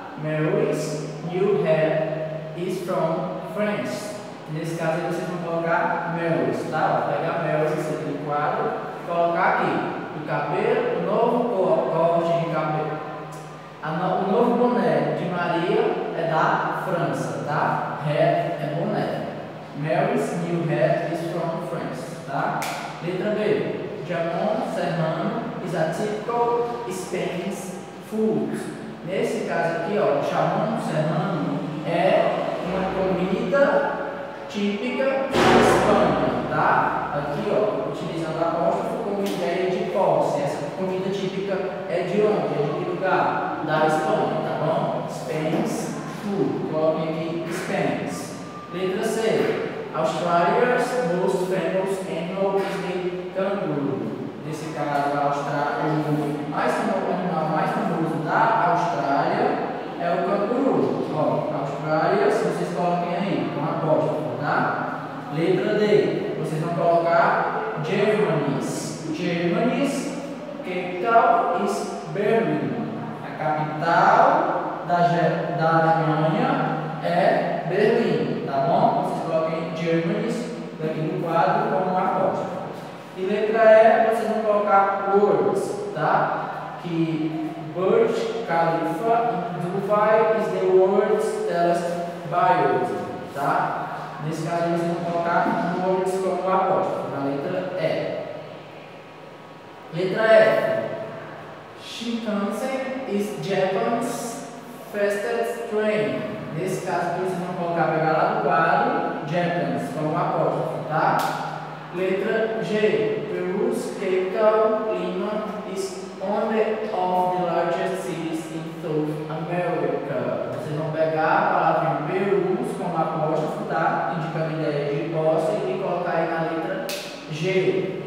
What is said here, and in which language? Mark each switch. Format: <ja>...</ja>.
<en>Mary's new hair is from France.</en> <pt>Nesse caso aí vocês vão colocar Mary's, tá? Vou pegar Mary's aqui no quadro e colocar aqui. O cabelo, o novo corte de cabelo. O novo boné de Maria é da França, tá? Hair é boné.</pt> <en>Mary's new hair is from France, tá?</en> <pt>Letra B.</pt> <en>Jamon Serrano is a typical Spanish food.</en> <pt>Nesse caso aqui, ó, jamon serrano é uma comida típica da Espanha, tá? Aqui, ó, utilizando apóstrofo com ideia de posse. Essa comida típica é de onde? É de que lugar? Da Espanha, tá bom?</pt> <en>Spain's food.</en> <pt>Coloque aqui Spain's. Letra C.</pt> <en>Australia's most famous animal is the canguru.</en> <pt>Nesse caso, a Austrália é o mais famoso animal mais famoso da Austrália é o canguru. Ó, Austrália, se vocês coloquem aí, com apóstrofo, tá? Letra D, vocês vão colocar Germany's.</pt> <en>Germany's, capital is Berlin.</en> <pt>A capital da Alemanha é Berlim, tá bom? Vocês coloquem Germany's daqui no quadro como apóstrofo. E letra E, vocês vão colocar words, tá?</pt> <en>Que Burj Khalifa Dubai is the world's tallest building, tá?</en> <pt>Nesse caso, vocês vão colocar words como apóstrofo, na letra E. Letra E.</pt> <en>Shinkansen is Japan's fastest train.</en> <pt>Nesse caso, vocês vão colocar, pegar lá do quadro, Japan's como apóstrofo, tá? Letra G.</pt> <en>Peru's capital, Lima, is one of the largest cities in South America.</en> <pt>Vocês vão pegar a palavra Peru's como apóstrofo, tá? Indicando ideia de posse e colocar aí na letra G.</pt>